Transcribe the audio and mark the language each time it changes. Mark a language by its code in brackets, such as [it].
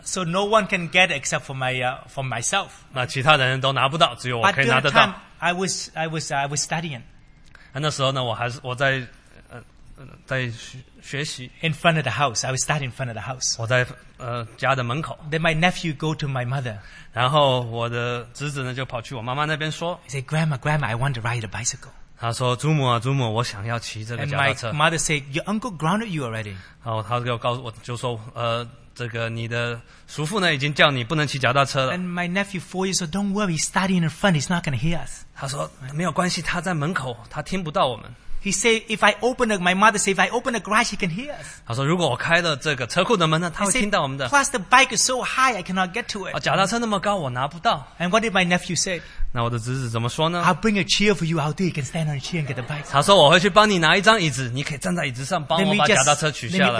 [en] So no one can get except for my for myself. [zh] 那其他人都拿不到，只有我可以拿得到。 [en] I was studying. [zh] 那时候呢，我在学习。 [en] In front of the house, I was studying in front of the house. [zh] 我在家的门口。 [en] Then my nephew go to my mother. [zh] 然后我的侄子呢就跑去我妈妈那边说。 [en] He said, "Grandma, Grandma, I want to ride a bicycle." [zh] 他说：“祖母啊，祖母，我想要骑这个脚踏车。” [en] And my mother said, "Your uncle grounded you already." [zh] 然后他就告诉我，就说：“这个你的叔父呢，已经叫你不能骑脚踏车了。” [en] And my nephew 4 years old, "Don't worry, he's studying in front. He's not going to hear us." [zh] 他说：“没有关系，他在门口，他听不到我们。” [en] He said, "If I open the my mother said, if I open the garage, he can hear us." [zh] 他说：“如果我开了这个车库的门呢，他会听到我们的。” [en] Plus, the bike is so high, I cannot get to it. [zh] 脚踏车那么高，我拿不到。 [en] And what did my nephew say? [zh] 那我的侄子怎么说呢 [en] ？I'll bring a chair for you out there. You can stand on a chair and get the bike. [zh] 他说我会去帮你拿一张椅子，你可以站在椅子上帮我把脚踏车取下来。